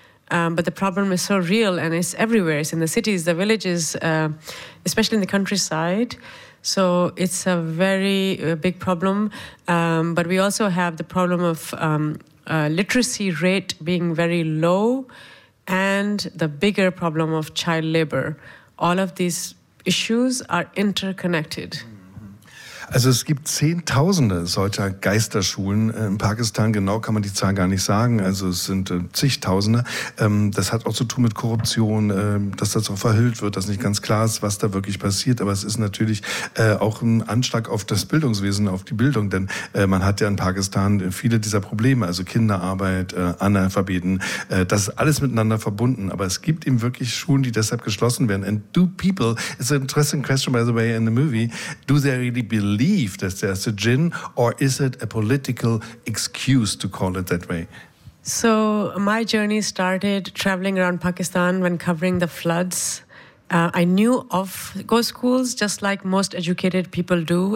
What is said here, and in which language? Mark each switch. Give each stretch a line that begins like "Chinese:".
English: But the problem is so real and it's everywhere. It's in the cities, the villages, especially in the countryside. So it's a very big problem. But we also have the problem of literacy rate being very low and the bigger problem of child labor. All of these issues are interconnected.
German: Also es gibt Zehntausende solcher Geisterschulen in Pakistan. Genau kann man die Zahl gar nicht sagen. Also es sind zigtausende. Das hat auch zu tun mit Korruption, dass das auch verhüllt wird, dass nicht ganz klar ist, was da wirklich passiert. Aber es ist natürlich auch ein Anschlag auf das Bildungswesen, auf die Bildung. Denn man hat ja in Pakistan viele dieser Probleme. Also Kinderarbeit, Analphabeten, das ist alles miteinander verbunden. Aber es gibt eben wirklich Schulen, die deshalb geschlossen werden.
English: And do people, it's an interesting question by the way in the movie, do they really be believe that there's a jinn, or is it a political excuse to call it that way? So my journey started traveling around Pakistan when covering the floods I knew of ghost schools just like most educated people do.